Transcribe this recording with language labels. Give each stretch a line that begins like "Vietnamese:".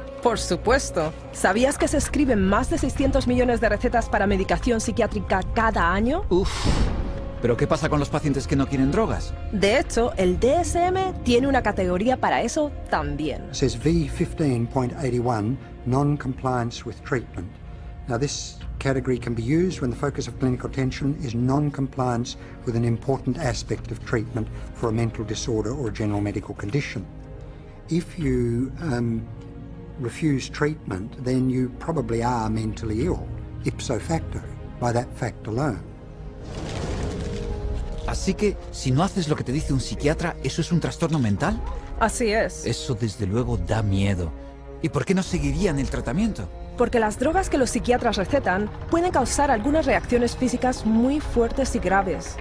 Spanish: Por supuesto. ¿Sabías que se escriben más de 600 millones de recetas para medicación psiquiátrica cada año? Uf. ¿Pero qué pasa con los pacientes que no quieren drogas? De hecho, el DSM tiene una categoría para eso también.
English: Says V15.81, non-compliance with treatment. Now this category can be used when the focus of clinical attention is non-compliance with an important aspect of treatment for a mental disorder or a general medical condition. If you refuse treatment, then you probably are mentally ill, ipso facto, by that fact alone.
Spanish: Así que, si no haces lo que te dice un psiquiatra, ¿eso es un trastorno mental? Así es. Eso desde luego da miedo. ¿Y por qué no seguirían el tratamiento? Porque las drogas que los psiquiatras recetan pueden causar algunas reacciones físicas muy fuertes y graves.